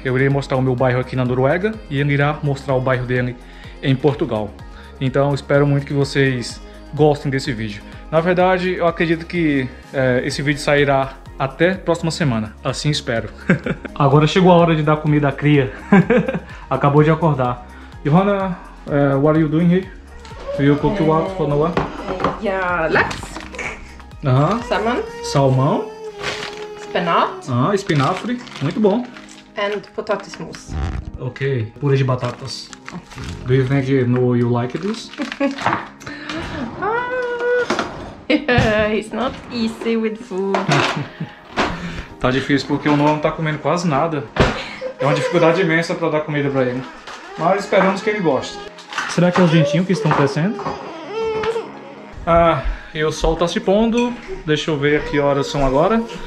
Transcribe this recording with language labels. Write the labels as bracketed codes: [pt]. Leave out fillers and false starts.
[pt] Eu irei mostrar o meu bairro aqui na Noruega e ele irá mostrar o bairro dele em Portugal. Então, espero muito que vocês gostem desse vídeo. Na verdade, eu acredito que esse vídeo sairá até próxima semana, assim espero. Agora chegou a hora de dar comida à cria. Acabou de acordar. [en] Johanna, what are you doing here? You cook what for Noah? Yeah, lax. Salmon. [pt] Salmão. [en] Spinach. [pt] Espinafre, muito bom. [en] And potato smooth. [pt] Ok, purê de batatas. [en] Do you think you know you like this? Yeah, it's not easy with food. [pt] Tá difícil porque o Noah não tá comendo quase nada. É uma dificuldade imensa para dar comida para ele. Mas esperamos que ele goste. Será que é os dentinhos que estão crescendo? E o sol tá se pondo. Deixa eu ver que horas são agora.